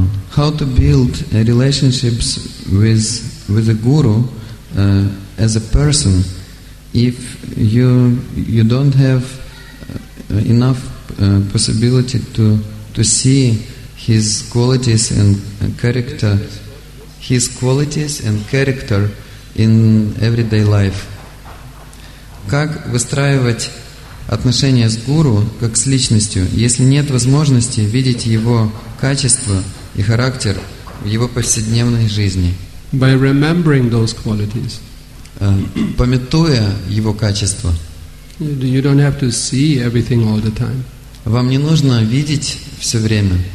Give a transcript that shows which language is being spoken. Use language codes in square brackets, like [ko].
[en] How to build relationships with a guru as a person if you don't have enough possibility to see his qualities and character, his qualities and character in everyday life. [ru] Как выстраивать отношения с гуру как с личностью, если нет возможности видеть его качества и характер в его повседневной жизни? [en] By remembering those qualities. [ru] Памятуя его качества. [en] You don't have to see everything all the time. [ru] Вам не нужно видеть все время.